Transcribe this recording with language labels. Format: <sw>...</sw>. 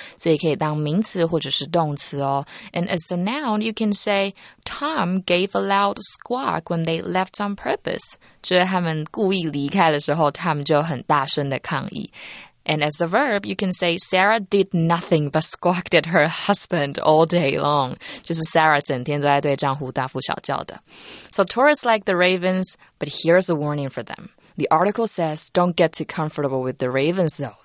<zh>所以可以当名词或者是动词哦。</zh> <en>And as a noun, you can say, Tom gave a loud squawk when they left on purpose.</en> <zh>就是他们故意离开的时候他们就很大声的抗议。</zh> <en>And as the verb, you can say Sarah did nothing but squawked at her husband all day long.</en> <zh>就是 Sarah 整天都在对丈夫大呼小叫的。</zh> <en>So tourists like the ravens, but here's a warning for them. The article says don't get too comfortable with the ravens, though.</en>